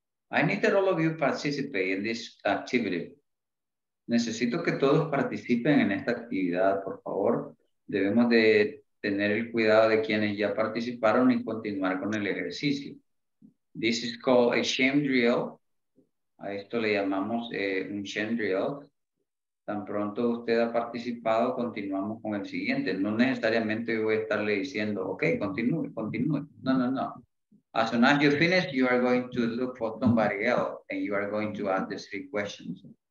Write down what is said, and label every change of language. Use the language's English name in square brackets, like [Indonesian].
[English] I need that all of you participate in this activity. [Spanish] Necesito que todos participen en esta actividad, por favor. Debemos de tener el cuidado de quienes ya participaron y continuar con el ejercicio. [English] This is called a shame drill. [Spanish] A esto le llamamos un shame drill. Tan pronto usted ha participado, continuamos con el siguiente. No necesariamente voy a estarle diciendo, ok, continúe. No. [English] As soon as you finish, you are going to look for somebody else and you are going to ask the three questions.